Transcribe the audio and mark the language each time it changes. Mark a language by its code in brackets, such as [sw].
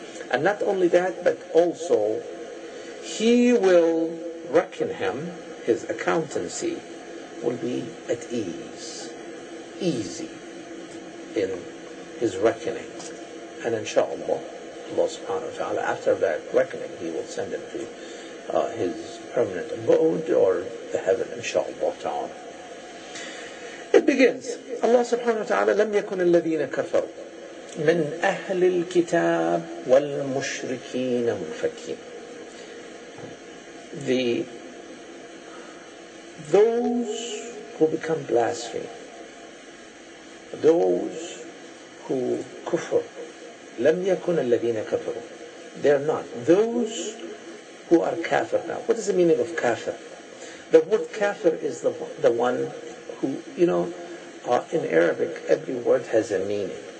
[en] And not only that, but also he will reckon him, his accountancy will be at ease, easy in his reckoning. And inshallah, Allah subhanahu wa ta'ala, after that reckoning, he will send him to his permanent abode or the heaven, inshallah ta'ala. It begins, [ar] Allah subhanahu wa ta'ala, لم يكن الذين كفروا من أهل الكتاب والمشركين منفكين. [en] Those who become blaspheme, those who kufr, [ar] لم يكن الذين كفروا, [en] they're not. Those who are kafir now. What is the meaning of kafir? The word kafir is the one who, you know, in Arabic, every word has a meaning.